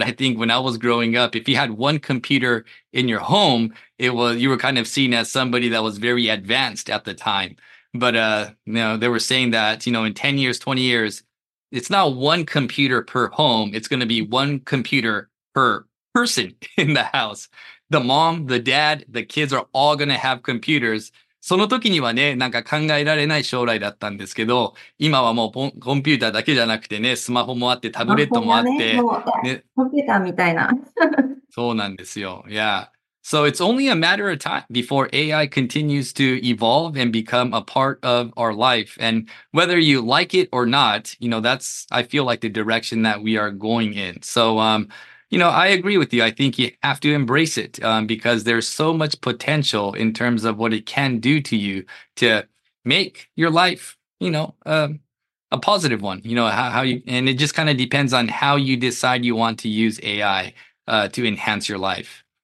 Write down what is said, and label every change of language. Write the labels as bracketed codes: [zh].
[en] I think when I was growing up, if you had one computer in your home, you were kind of seen as somebody that was very advanced at the time. But, you know, they were saying that, you know, in 10 years, 20 years, it's not one computer per home. It's going to be one computer per person in the house. The mom, the dad, the kids are all going to have computers. [ja] その時にはね、なんか考えられない将来だったんですけど、今はもうコンピューターだけじゃなくてね、スマホもあって、タブレットもあって。ね、コンピューターみたいな。そうなんですよ。Yeah. [en] So it's only a matter of time before AI continues to evolve and become a part of our life. And whether you like it or not, you know, that's, I feel like the direction that we are going in. So, you know, I agree with you. I think you have to embrace it, because there's so much potential in terms of what it can do to you to make your life, you know, a positive one, you know, how you, and it just kind of depends on how you decide you want to use AI, to enhance your life.